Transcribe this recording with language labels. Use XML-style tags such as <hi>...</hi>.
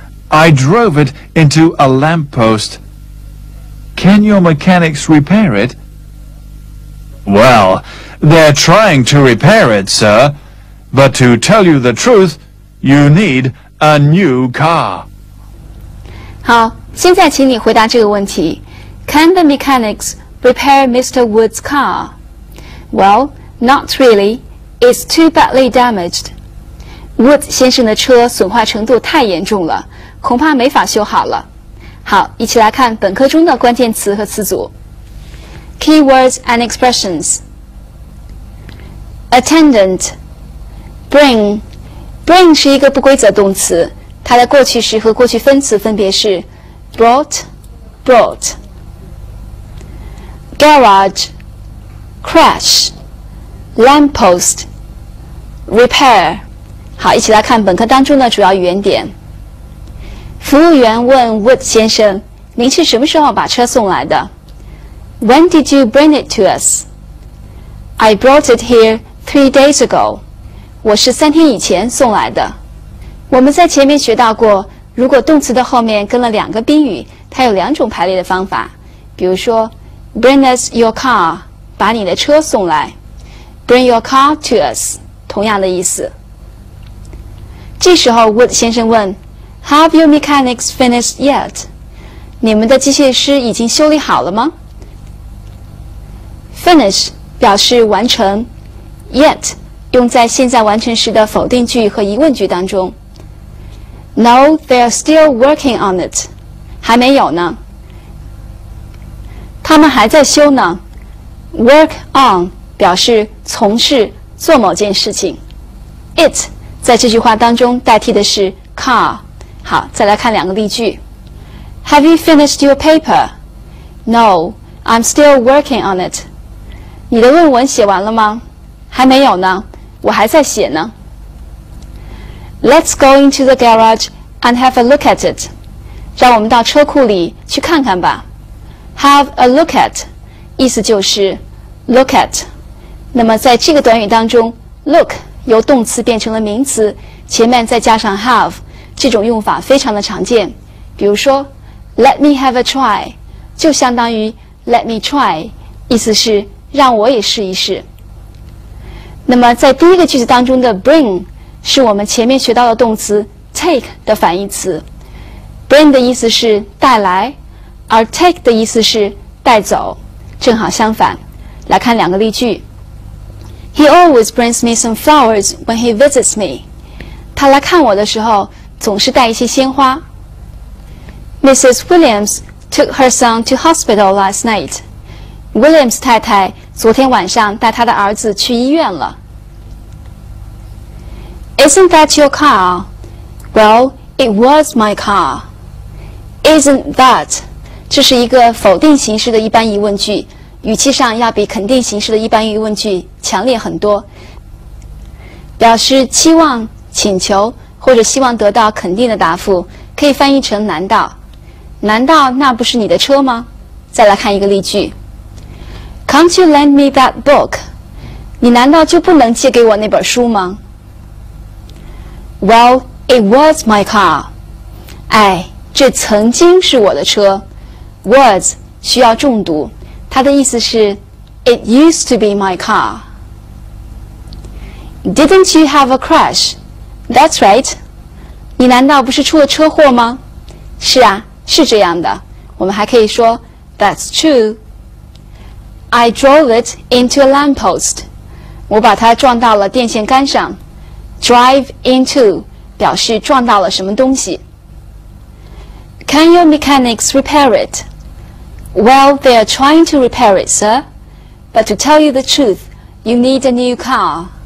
<en>I drove it into a lamppost. Can your mechanics repair it? Well, they're trying to repair it, sir. But to tell you the truth, you need a new car.</en> <zh>好，现在请你回答这个问题。</zh> <en>Can the mechanics repair Mr. Wood's car? Well, not really. It's too badly damaged.</en> <zh>Wood 先生的车损坏程度太严重了，恐怕没法修好了。好，一起来看本课中的关键词和词组。</zh> <en>Keywords and expressions. Attendant. Bring.</en> <zh>Bring 是一个不规则动词，它的过去时和过去分词分别是</zh> <en>brought, brought. Garage. Crash. Lamp post. Repair.</en> <zh>好，一起来看本课当中的主要语言点。服务员问 Wood 先生，您是什么时候把车送来的？</zh> <en>When did you bring it to us? I brought it here 3 days ago.</en> <zh>我是三天以前送来的。我们在前面学到过，如果动词的后面跟了两个宾语，它有两种排列的方法。比如说 ,</zh> <en>bring us your car,</en> <zh>把你的车送来。</zh> <en>Bring your car to us,</en> <zh>同样的意思。 这时候 Wood 先生问，</zh> <en>Have your mechanics finished yet?</en> <zh>你们的机械师已经修理好了吗？ Finish 表示完成， yet 用在现在完成时的否定句和疑问句当中。</zh> <en>No, they are still working on it.</en> <zh>还没有呢，他们还在修呢。 Work on 表示从事做某件事情， it 在这句话当中代替的是 car。好，再来看两个例句。</zh> <en>Have you finished your paper? No, I'm still working on it.</en> <zh>你的论文写完了吗？还没有呢，我还在写呢。 Let's go into the garage and have a look at it. 让我们到车库里去看看吧。</zh> <en>Have a look at,</en> <zh>意思就是</zh> <en>look at。</en> <zh>那么在这个短语当中 ,look 由动词变成了名词，前面再加上 have,这种用法非常的常见，比如说</zh> <en>Let me have a try</en> <zh>就相当于</zh> <en>Let me try，</en> <zh>意思是让我也试一试。那么在第一个句子当中的 bring 是我们前面学到的动词 take 的反义词， bring 的意思是带来，而 take 的意思是带走，正好相反。来看两个例句。</zh> <en>He always brings me some flowers when he visits me.</en> <zh>他来看我的时候总是带一些鲜花。</zh> <en>Mrs. Williams took her son to hospital last night.</en> <zh>Williams 太太昨天晚上带她的儿子去医院了。</zh> <en>Isn't that your car? Well, it was my car. Isn't that?</en> <zh>这是一个否定形式的一般疑问句，语气上要比肯定形式的一般疑问句强烈很多，表示期望、请求或者希望得到肯定的答复，可以翻译成难道。难道那不是你的车吗？再来看一个例句。</zh> <en>Can't you lend me that book?</en> <zh>你难道就不能借给我那本书吗？</zh> <en>Well, it was my car.</en> <zh>哎，这曾经是我的车。</zh> <en>Was</en> <zh>需要重读，它的意思是</zh> <en>It used to be my car. Didn't you have a crash? That's right.</en> <zh>你难道不是出了车祸吗？是啊，是这样的。我们还可以说</zh> <en>That's true. I drove it into a lamppost.</en> <zh>我把它撞到了电线杆上。</zh> <en>Drive into</en> <zh>表示撞到了什么东西。</zh> <en>Can your mechanics repair it? Well, they are trying to repair it, sir. But to tell you the truth, you need a new car.</en>